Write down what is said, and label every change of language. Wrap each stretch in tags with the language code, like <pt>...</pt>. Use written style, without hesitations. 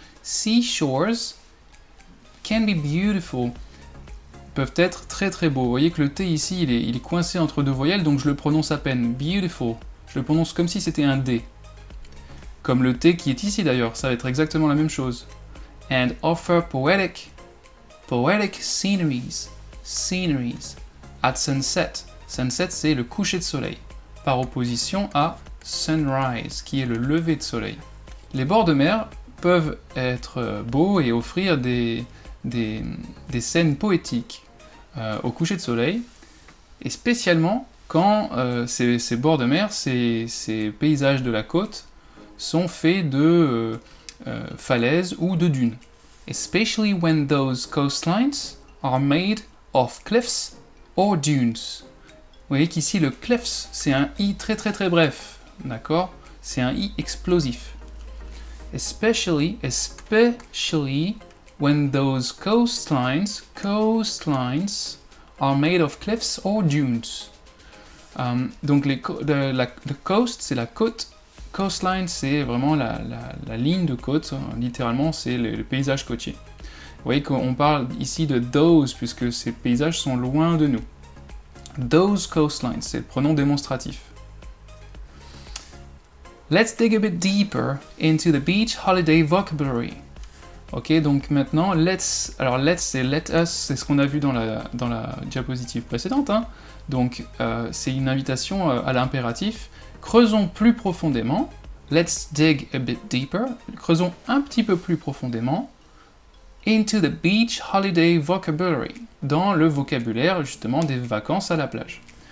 <en>Seashores can be beautiful,</en> <fr>peuvent être très très beaux. Vous voyez que le T ici, il est coincé entre deux voyelles, donc je le prononce à peine, beautiful. Je le prononce comme si c'était un D. Comme le T qui est ici d'ailleurs, ça va être exactement la même chose.</fr> <en>And offer poetic, poetic sceneries, sceneries, at sunset.</en> <fr>Sunset, c'est le coucher de soleil. Par opposition à sunrise, qui est le lever de soleil. Les bords de mer peuvent être beaux et offrir des scènes poétiques au coucher de soleil, et spécialement quand ces bords de mer, ces paysages de la côte, sont faits de falaises ou de dunes.</fr> <en>Especially when those coastlines are made of cliffs or dunes.</en> <fr>Vous voyez qu'ici, le cliffs, c'est un i très très très bref, d'accord? C'est un i explosif.</fr> <en>Especially when those coastlines are made of cliffs or dunes.</en> <fr>Donc, le coast, c'est la côte. Coastline, c'est vraiment la ligne de côte. Hein, littéralement, c'est le paysage côtier. Vous voyez qu'on parle ici de those, puisque ces paysages sont loin de nous. Those coastlines, c'est le pronom démonstratif.</fr> <en>Let's dig a bit deeper into the beach holiday vocabulary.</en> <fr>Ok, donc maintenant, let's, c'est let us, c'est ce qu'on a vu dans la diapositive précédente. Hein. Donc, c'est une invitation à l'impératif. Creusons plus profondément.</fr> <en>Let's dig a bit deeper.</en> <fr>Creusons un petit peu plus profondément.</fr> <en>Into the beach holiday vocabulary,</en> <fr>dans le vocabulaire justement des vacances à la plage.</fr>